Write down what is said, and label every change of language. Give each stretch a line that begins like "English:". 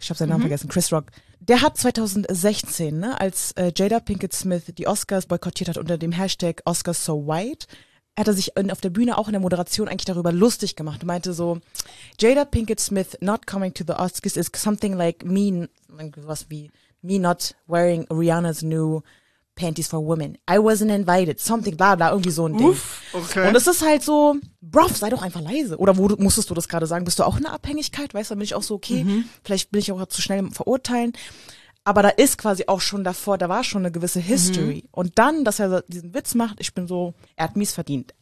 German: Ich habe seinen Namen vergessen. Chris Rock. Der hat 2016, ne, als Jada Pinkett Smith die Oscars boykottiert hat unter dem Hashtag Oscars So White, hat er sich auf der Bühne auch in der Moderation eigentlich darüber lustig gemacht. Und meinte so,
English: Jada Pinkett Smith not coming to the Oscars is something like me,
German: was wie
English: me not wearing Rihanna's new Panties for Women. I wasn't invited. Something, bla bla,
German: irgendwie so ein Ding. Okay. Und es ist halt so, bruv, sei doch einfach leise. Oder wo musstest du das gerade sagen? Bist du auch in einer Abhängigkeit? Weißt du, dann bin ich auch so, okay, vielleicht bin ich auch zu schnell im Verurteilen. Aber da ist quasi auch schon davor, da war schon eine gewisse History. Mhm. Und dann, dass er diesen Witz macht, ich bin so, er hat mies verdient.